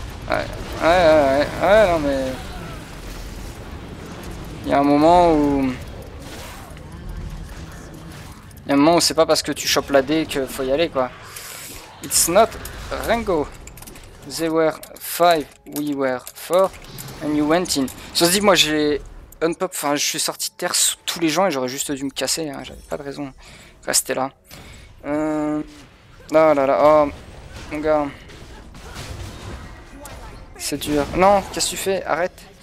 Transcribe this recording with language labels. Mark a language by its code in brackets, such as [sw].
[fr] Ouais, non mais. Il y a un moment où. Il y a un moment où c'est pas parce que tu chopes la D que faut y aller quoi. [en] It's not Rengo. They were 5, we were 4, and you went in. [fr] Ça se dit, moi j'ai unpop, enfin je suis sorti de terre sous tous les gens et j'aurais juste dû me casser, hein. J'avais pas de raison. Restez là. Là là là, oh mon gars. C'est dur. Non, qu'est-ce que tu fais? Arrête.